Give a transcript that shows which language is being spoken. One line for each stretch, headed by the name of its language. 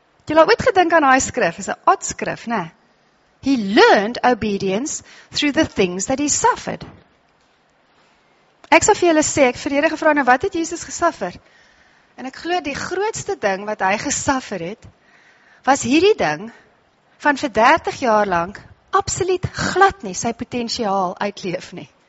Afrikaans: Jy laat ooit gedink aan die skrif, is een odd skrif, nee.
English: He learned obedience through the things that he suffered.
Afrikaans: Ek sal vir julle sê, ek vir julle gevra, nou wat het Jesus gesuffer? En ek glo die grootste ding wat hy gesuffer het, was hierdie ding, van vir 30 jaar lang, absoluut glad nie sy potentiaal uitleef nie.